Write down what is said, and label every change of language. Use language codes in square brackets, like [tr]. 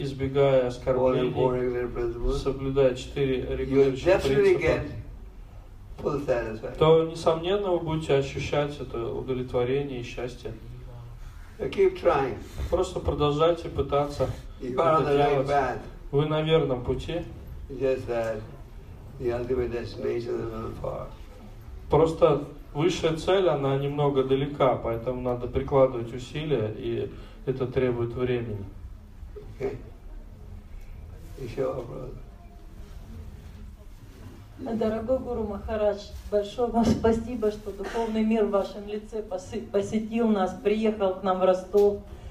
[ru] избегая оскорблений, [en] avoiding their principles, [ru] соблюдая четыре регулирующие принципа, [en] you will definitely get full satisfaction. [ru] То, несомненно, вы будете ощущать это удовлетворение и счастье. [en] Keep trying. [ru] Просто продолжайте пытаться. [en] You are on the right path. [ru] Вы на верном пути. [en] Just that the ultimate destination is a little far. [ru] Просто высшая цель, она немного далека, поэтому надо прикладывать усилия, и это требует времени. Okay. Еще вопрос. Дорогой Гуру Махарадж, большое вам спасибо, что духовный мир в вашем лице посетил нас, приехал к нам в Ростов.